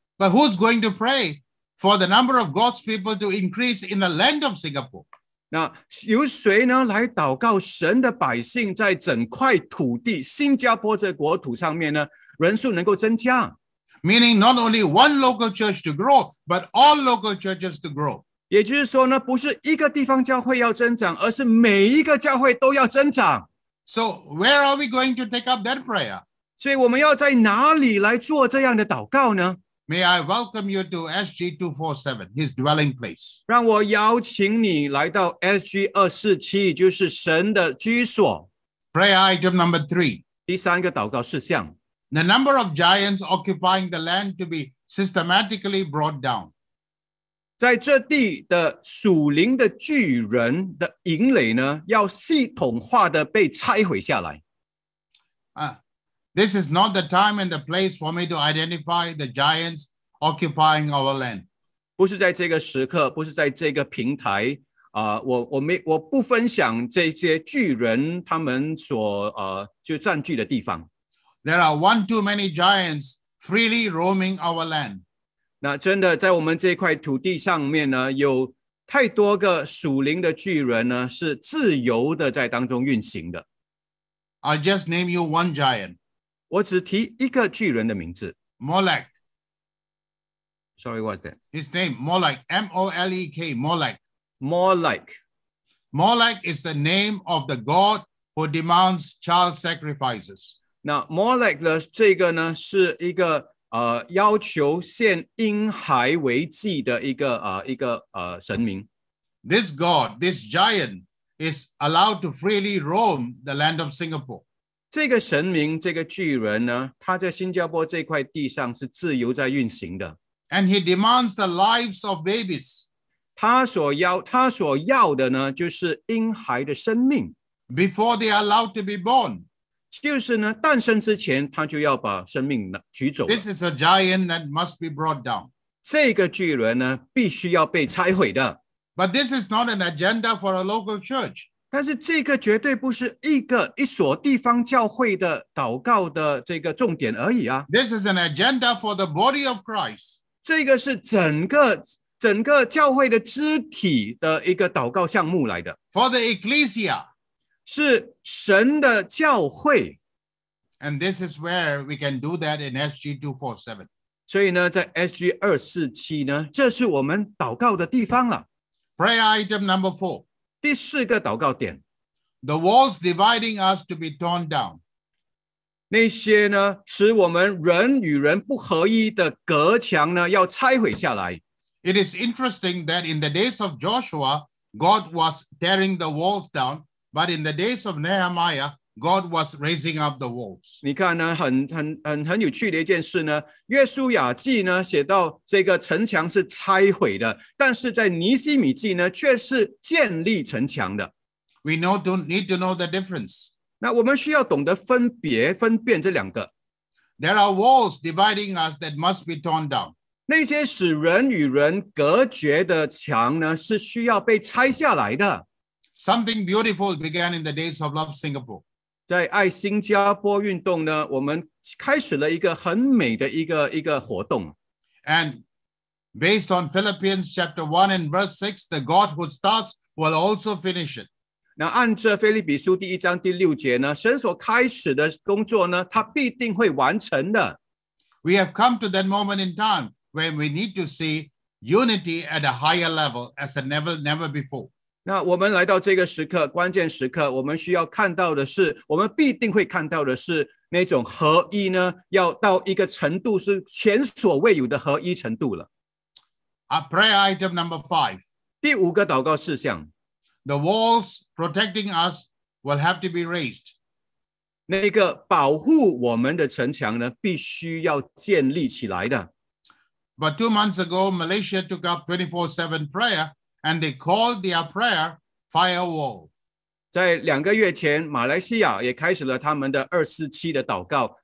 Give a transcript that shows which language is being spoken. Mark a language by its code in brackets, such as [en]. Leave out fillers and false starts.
[en] But who's going to pray for the number of God's people to increase in the land of Singapore? [zh] 那由谁呢来祷告神的百姓在整块土地新加坡这国土上面呢人数能够增加？ [en] Meaning not only one local church to grow, but all local churches to grow. [zh] 也就是说呢，不是一个地方教会要增长，而是每一个教会都要增长。 [en] So where are we going to take up that prayer? [zh] 所以我们要在哪里来做这样的祷告呢？ [en] May I welcome you to SG247, his dwelling place. [zh] 让我邀请你来到 SG247, 就是神的居所。 [en] Prayer item number three. [zh] 第三个祷告事项。 [en] The number of giants occupying the land to be systematically brought down. [zh] 在这地的属灵的巨人的营垒呢，要系统化的被拆毁下来。 [en] This is not the time and the place for me to identify the giants occupying our land. [zh] 不是在这个时刻，不是在这个平台，我不分享这些巨人他们所就占据的地方。 [en] There are one too many giants freely roaming our land. [zh] 那真的在我们这块土地上面呢，有太多个属灵的巨人呢，是自由的在当中运行的。 [en] I'll just name you one giant. [zh] 我只提一个巨人的名字 [en] Molech. Sorry, what's that? His name, Molech, M-O-L-E-K, Molech. Molech. Molech is the name of the God who demands child sacrifices. [zh] Now, Molech 的这个呢是一个要求献婴孩为祭的一个神明。 [en] This God, this giant, is allowed to freely roam the land of Singapore. [zh] 这个神明这个巨人呢，他在新加坡这块地上是自由在运行的。 [en] And he demands the lives of babies. [zh] 他所要的呢就是婴孩的生命。 [en] before they are allowed to be born. [zh] 就是呢，诞生之前，他就要把生命取走了。 [en] This is a giant that must be brought down. [zh] 这个巨人呢，必须要被拆毁的。 [en] But this is not an agenda for a local church. [zh] 但是这个绝对不是一个一所地方教会的祷告的这个重点而已啊。 [en] This is an agenda for the body of Christ. [zh] 这个是整个教会的肢体的一个祷告项目来的。 [en] For the ecclesia. [zh] 是神的教会 [en] and this is where we can do that in SG247. [zh] 所以呢，在 SG247 呢，这是我们祷告的地方了。 [en] Prayer item number four. [zh] 第四个祷告点。 [en] The walls dividing us to be torn down. [zh] 那些呢，使我们人与人不合一的隔墙呢，要拆毁下来。 [en] It is interesting that in the days of Joshua, God was tearing the walls down. But in the days of Nehemiah, God was raising up the walls. [zh] 你看呢，很有趣的一件事呢。约书亚记呢写到这个城墙是拆毁的，但是在尼希米记呢却是建立城墙的。 [en] We don't need to know the difference. [zh] 那我们需要懂得分辨这两个。 [en] There are walls dividing us that must be torn down. [zh] 那些使人与人隔绝的墙呢，是需要被拆下来的。 [en] Something beautiful began in the days of Love Singapore. [zh] 在爱新加坡运动呢，我们开始了一个很美的一个活动。 [en] And based on Philippians chapter 1 and verse 6, the God who starts will also finish it. [zh] 那按着腓立比书第一章第六节呢，神所开始的工作呢，他必定会完成的。 [en] We have come to that moment in time when we need to see unity at a higher level as never before. [zh] 那我们来到这个时刻，关键时刻，我们需要看到的是，我们必定会看到的是那种合一呢，要到一个程度是前所未有的合一程度了。 [en] A prayer item number five. [zh] 第五个祷告事项。 [en] The walls protecting us will have to be raised. [zh] 那个保护我们的城墙呢，必须要建立起来的。 [en] But 2 months ago, Malaysia took up 24/7 prayer. And they called their prayer firewall. [zh] 在两个月前，马来西亚也开始了他们的247的祷告。